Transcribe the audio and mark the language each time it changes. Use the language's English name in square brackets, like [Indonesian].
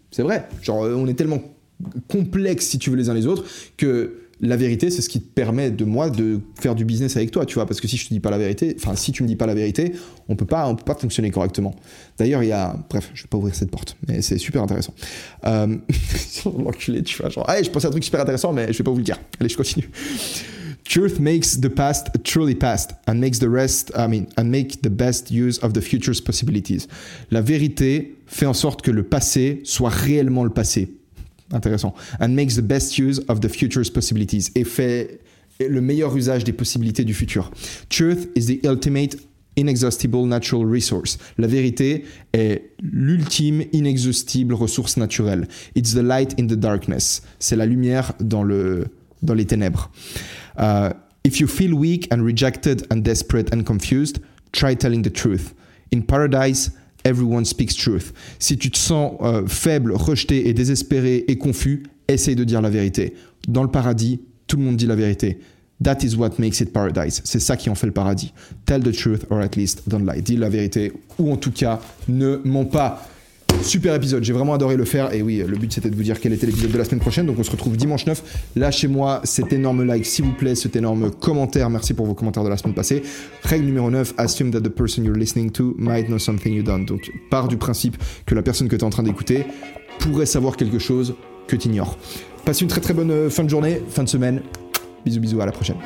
[French] C'est vrai, genre, on est tellement... complexe, si tu veux, les uns les autres, que la vérité, c'est ce qui te permet de moi de faire du business avec toi, tu vois, parce que si tu me dis pas la vérité, on peut pas fonctionner correctement. D'ailleurs, je vais pas ouvrir cette porte, mais c'est super intéressant. L'enculé, tu vois, genre, allez, je pensais à un truc super intéressant, mais je vais pas vous le dire. Allez, je continue. [English] Truth makes the past truly past and makes the rest, and make the best use of the future's possibilities. [French] La vérité fait en sorte que le passé soit réellement le passé. Intéressant. [English] And makes the best use of the future's possibilities. [French] Et fait le meilleur usage des possibilités du futur. [English] Truth is the ultimate inexhaustible natural resource. [French] La vérité est l'ultime inexhaustible ressource naturelle. [English] It's the light in the darkness. [French] C'est la lumière dans les ténèbres. [English] If you feel weak and rejected and desperate and confused, try telling the truth. In paradise, everyone speaks truth. [French] Si tu te sens faible, rejeté et désespéré et confus, essaye de dire la vérité. Dans le paradis, tout le monde dit la vérité. [English] That is what makes it paradise. [French] C'est ça qui en fait le paradis. [English] Tell the truth or at least don't lie. [French] Dis la vérité ou en tout cas, ne mens pas. Super épisode, j'ai vraiment adoré le faire. Et oui, le but c'était de vous dire quel était l'épisode de la semaine prochaine. Donc on se retrouve dimanche 9. Lâchez-moi cet énorme like, s'il vous plaît, cet énorme commentaire. Merci pour vos commentaires de la semaine passée. Règle numéro 9, [English] assume that the person you're listening to might know something you don't. [French] Donc pars du principe que la personne que t'es en train d'écouter pourrait savoir quelque chose que t'ignores. Passe une très très bonne fin de journée, fin de semaine. Bisous bisous, à la prochaine.